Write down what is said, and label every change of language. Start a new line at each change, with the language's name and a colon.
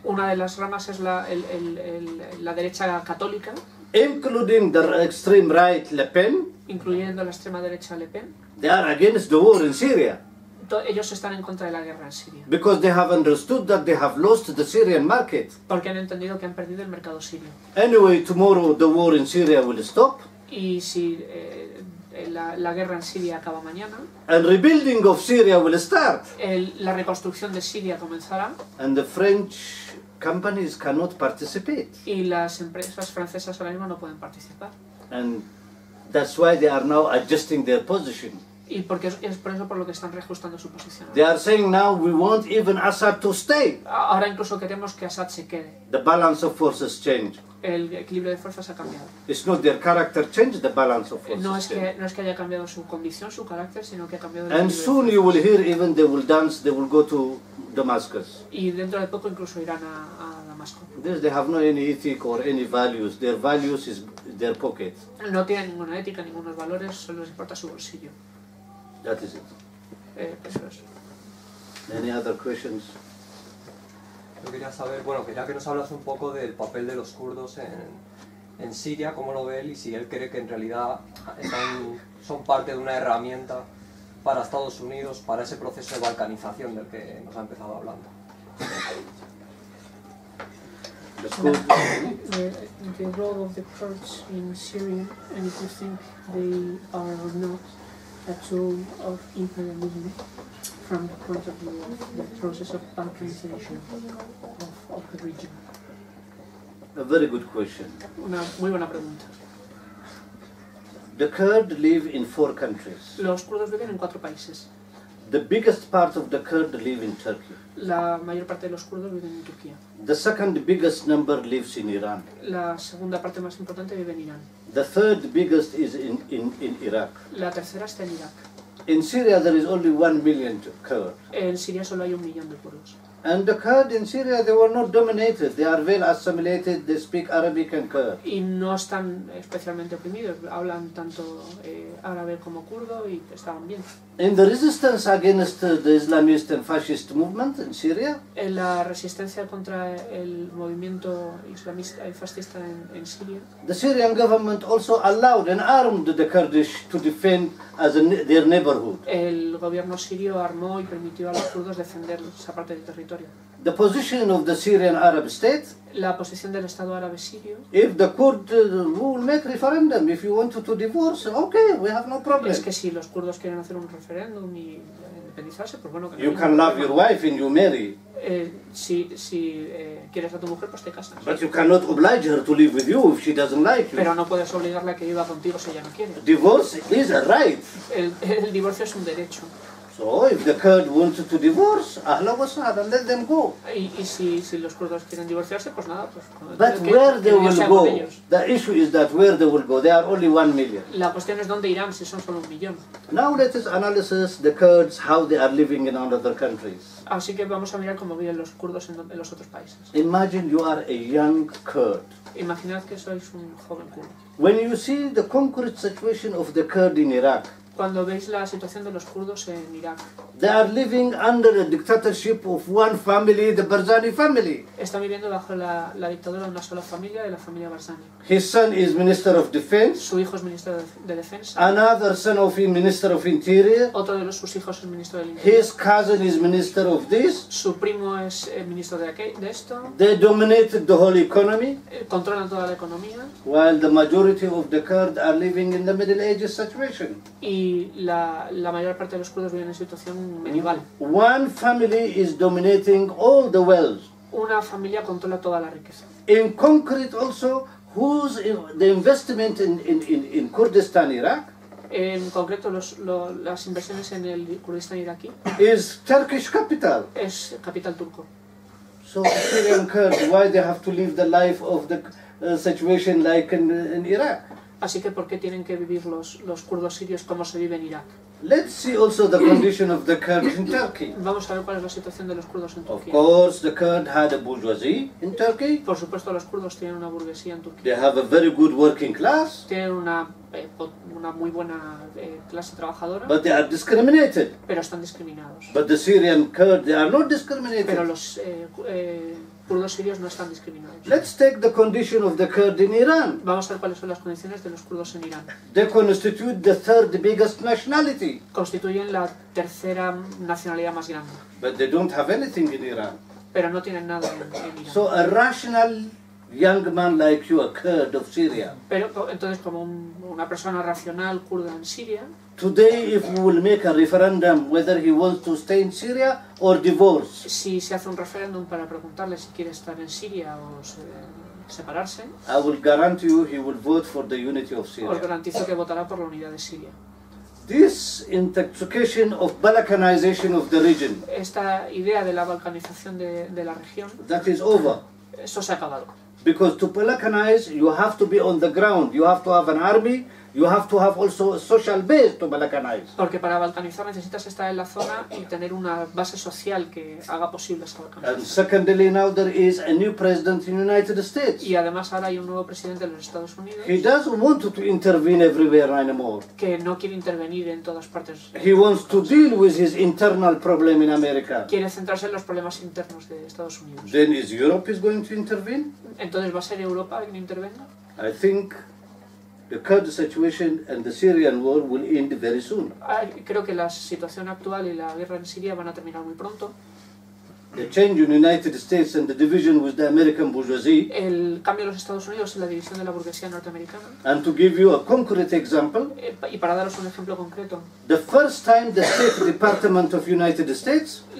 Spanish: Una de las ramas es la derecha católica.
English: Including the extreme right, Le Pen.
Spanish: Incluyendo la extrema derecha Le Pen.
English: They are against the war in Syria.
Spanish: Ellos están en contra de la guerra en Siria.
English: Because they have understood that they have lost the Syrian market.
Spanish: Porque han entendido que han perdido el mercado sirio.
English: Anyway, tomorrow the war in Syria will stop.
Spanish: Y si la guerra en Siria acaba mañana.
English: And rebuilding of Syria will start.
Spanish: La reconstrucción de Siria comenzará.
English: And the French companies cannot participate.
Spanish: Y las empresas francesas ahora mismo no pueden participar.
English: And that's why they are now adjusting their position.
Spanish: Y porque es por eso por lo que están reajustando su posición.
English: They are saying now we want even Assad to stay.
Spanish: Ahora incluso queremos que Assad se quede.
English: The balance of forces change.
Spanish: El equilibrio de fuerzas ha cambiado.
English: It's not their character change, the balance of forces.
Spanish: No es que haya cambiado su condición, su carácter, sino que ha cambiado.
English: And soon you will hear even they will dance, they will go to Damascus.
Spanish: Y dentro de poco incluso irán a Damasco.
English: This they have no any ethic or any values. Their values is their pocket.
Spanish: No tienen ninguna ética, ningunos valores, solo les importa su bolsillo.
English: That is it. Any other questions?
Spanish: Yo quería saber, bueno, quería que nos hablas un poco del papel de los kurdos en Siria, cómo lo ve él y si él cree que en realidad son parte de una herramienta para Estados Unidos, para ese proceso de balcanización del que nos ha empezado hablando.
English: The role of the Kurds in Syria, and if you think they are or not a tool of imperialism from the point of view of the process of balkanization of the region. A very good question.
Spanish: Una muy buena pregunta.
English: The Kurds live in four countries.
Spanish: Los kurdos viven en cuatro países.
English: The biggest part of the Kurds live in Turkey.
Spanish: La mayor parte de los kurdos viven en Turquía.
English: The second biggest number lives in Iran.
Spanish: La segunda parte más importante vive en Irán.
English: The third biggest is in Iraq.
Spanish: La tercera está en Irak.
English: In Syria there is only 1 million Kurds.
Spanish: En Siria solo hay 1 millón de kurdos.
English: And the Kurds in Syria, they were not dominated. They are well assimilated. They speak Arabic and Kurd.
Spanish: Y no están especialmente oprimidos. Hablan tanto árabe como kurdo y estaban bien.
English: In the resistance against the Islamist and fascist movement in Syria.
Spanish: En la resistencia contra el movimiento islamista y fascista en Siria.
English: The Syrian government also allowed and armed the Kurdish to defend as their neighborhood.
Spanish: El gobierno sirio armó y permitió a los kurdos defender esa parte del territorio.
English: The position of the Syrian Arab state.
Spanish: La posición del Estado árabe sirio.
English: If the Kurds will make referendum, if you want to divorce, okay, we have no problem.
Spanish: Es que si los kurdos quieren hacer un referéndum y independizarse, pues bueno. Que
English: you no can love your wife and you marry.
Spanish: Si quieres a tu mujer, pues te casas.
English: But you cannot oblige her to live with you if she doesn't like you.
Spanish: Pero no puedes obligarla a que viva contigo si ella no quiere.
English: Divorce is a right.
Spanish: El divorcio es un derecho.
English: So if the Kurds want to divorce, ahla wasada, let them go.
Spanish: Y si los kurdos quieren divorciarse, pues nada, pues.
English: But where they will go? The issue is that where they will go. They are only 1 million.
Spanish: La cuestión es dónde irán si son solo 1 millón.
English: Now let us analyze the Kurds how they are living in other countries.
Spanish: Así que vamos a mirar cómo viven los kurdos en los otros países.
English: Imagine you are a young Kurd.
Spanish: Imaginad que sois un joven kurdo.
English: When you see the concrete situation of the Kurd in Iraq.
Spanish: Cuando veis la situación de los kurdos en Irak.
English: They are living under the dictatorship of one family, the Barzani family.
Spanish: Están viviendo bajo la dictadura de una sola familia, de la familia Barzani.
English: His son is minister of defense.
Spanish: Su hijo es ministro de defensa.
English: Another son of him minister of interior.
Spanish: Otro de sus hijos es ministro del interior.
English: His cousin is minister of this.
Spanish: Su primo es ministro de esto.
English: They dominated the whole economy.
Spanish: Controlan toda la economía.
English: While the majority of the Kurds are living in the Middle Ages situation.
Spanish: Y la mayor parte de los kurdos viven en situación medieval.
English: One family is dominating all the wealth.
Spanish: Una familia controla toda la riqueza.
English: In concrete also, who's the investment in Kurdistan, Iraq?
Spanish: En concreto, las inversiones en el Kurdistán iraquí.
English: Is Turkish capital.
Spanish: Es capital turco.
English: So Syrian Kurds, why they have to live the life of the situation like in Iraq?
Spanish: Así que, ¿por qué tienen que vivir los kurdos sirios como se vive en Irak?
English: Let's see also the condition of the Kurds in Turkey.
Spanish: Vamos a ver cuál es la situación de los kurdos en Turquía.
English: Of course, the Kurds had a bourgeoisie in Turkey.
Spanish: Por supuesto, los kurdos tienen una burguesía en Turquía.
English: They have a very good working class.
Spanish: Tienen una muy buena clase trabajadora.
English: But they are discriminated.
Spanish: Pero están discriminados.
English: But the Syrian Kurds, they are not discriminated.
Spanish: Pero los kurdos sirios no están discriminados.
English: Let's take the condition of the Kurds in Iran.
Spanish: Vamos a ver cuáles son las condiciones de los kurdos en Irán.
English: They constitute the third biggest nationality.
Spanish: Constituyen la tercera nacionalidad más grande.
English: But they don't have anything in Iran.
Spanish: Pero no tienen nada en Irán.
English: So a rational young man like you, a Kurd of Syria.
Spanish: Pero entonces, como una persona racional kurda en Siria.
English: Today, if we will make a referendum whether he wants to stay in Syria or divorce.
Spanish: Si se hace un referéndum para preguntarle si quiere estar en Siria o separarse.
English: I will guarantee you he will vote for the unity of Syria.
Spanish: Os garantizo que votará por la unidad de Siria.
English: This intoxication of balkanization of the region.
Spanish: Esta idea de la balcanización de la región.
English: That is over.
Spanish: Eso se ha acabado.
English: Because to balkanize, you have to be on the ground. You have to have an army. You have to have also a social base to balkanize.
Spanish: Porque para balkanizar necesitas estar en la zona y tener una base social que haga posible esa balkanización.
English: And secondly, now there is a new president in the United States.
Spanish: Y además ahora hay un nuevo presidente de los Estados Unidos.
English: He doesn't want to intervene everywhere anymore.
Spanish: Que no quiere intervenir en todas partes.
English: He wants to deal with his internal problem in America.
Spanish: Quiere centrarse en los problemas internos de Estados Unidos.
English: Then is Europe is going to intervene?
Spanish: Entonces va a ser Europa quien intervenga?
English: I think the Kurd situation and the Syrian war will end very soon.
Spanish: Creo que la situación actual y la guerra en Siria van a terminar muy pronto.
English: The change in the United States and the division with the American bourgeoisie.
Spanish: El cambio en los Estados Unidos y la división de la burguesía norteamericana.
English: And to give you a concrete example.
Spanish: Y para daros un ejemplo concreto.
English: The first time the State Department of United States.